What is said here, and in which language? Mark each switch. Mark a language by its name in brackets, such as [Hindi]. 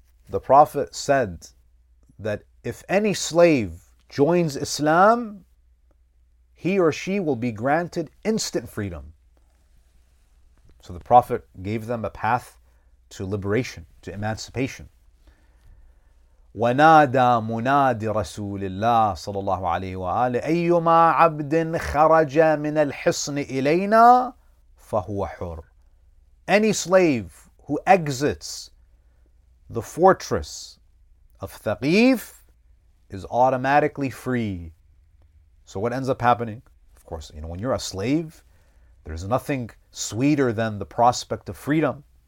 [English] The Prophet said that if any slave joins Islam, he or she will be granted instant freedom. So the Prophet gave them a path to liberation, to emancipation. [Arabic] ونادى منادي رسول الله صلى الله عليه وآله أيما عبد خرج من الحصن إلينا فهو حر. [English] Any slave who exits the fortress of Thaqif is automatically free. So what ends up happening? Of course, you know, when you're a slave, there's nothing sweeter than the prospect of freedom.